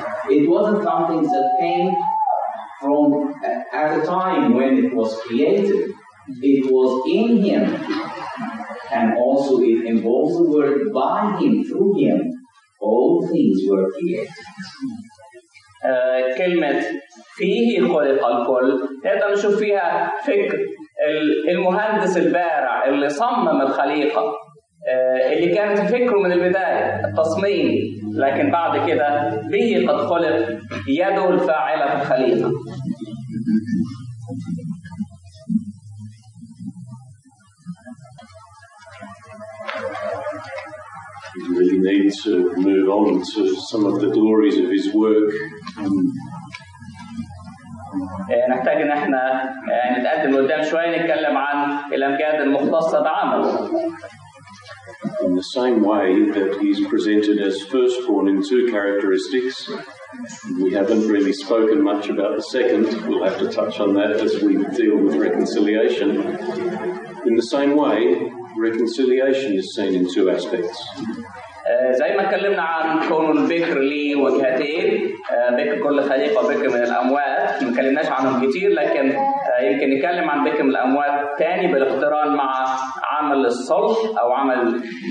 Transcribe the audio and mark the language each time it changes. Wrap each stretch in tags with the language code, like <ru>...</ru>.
<en>It wasn't something that came from at a time when it was created. It was in him, and also it involves the word by him, through him, all things were created.</en> <ar>كلمة فيه خلق الكل، نقدر نشوف فيها فكر المهندس البارع اللي صمم الخليقة، اللي كانت فكره من البداية التصميم، لكن بعد كده به قد خلق يده الفاعلة في الخليقة.</ar> <en>Really need to move on to some of the glories of his work.</en> <ar>نحتاج ان احنا نتقدم قدام شوية نتكلم عن الامجاد المختصة بعمله.</ar> <en>In the same way that he's presented as firstborn in two characteristics, we haven't really spoken much about the second. We'll have to touch on that as we deal with reconciliation. In the same way, reconciliation is seen in two aspects.</en> <ar>زي ما اتكلمنا عن كون البكر لي وجهتين، بكر كل خليقة وبكر من الأموات، ما اتكلمناش عنهم كتير، لكن يمكن نتكلم عن بكر من الأموات تاني بالاقتران مع عمل الصلح أو عمله.</ar>